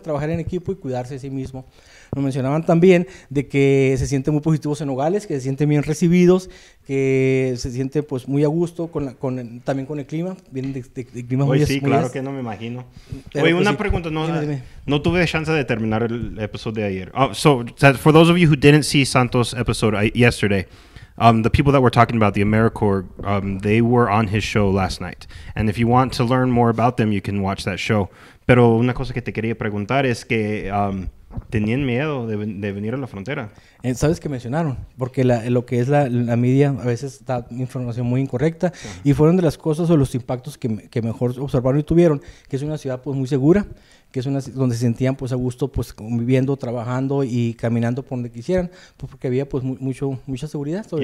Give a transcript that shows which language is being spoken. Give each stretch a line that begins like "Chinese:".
Spanish: Trabajar en equipo y cuidarse a sí mismo. Nos mencionaban también de que se sienten muy positivos en Nogales, que se sienten bien recibidos, que se siente pues muy a gusto con el clima, vienen de clima hoy muy sí, claro que no me imagino. Pero, oye, pues, una sí. Pregunta, no tuve chance de terminar el episodio de ayer.
English: So for those of you who didn't see Santos' episode yesterday, the people that we're talking about, the AmeriCorps, they were on his show last night. And if you want to learn more about them, you can watch that show.
Spanish: Pero una cosa que te quería preguntar es que tenían miedo de venir a la frontera. ¿Sabes qué mencionaron? Porque lo que es la media a veces da información muy incorrecta. Sí. Y fueron de las cosas o los impactos que mejor observaron y tuvieron, que es una ciudad pues muy segura, que es una donde se sentían pues a gusto pues viviendo, trabajando y caminando por donde quisieran, pues porque había pues mucha seguridad sobre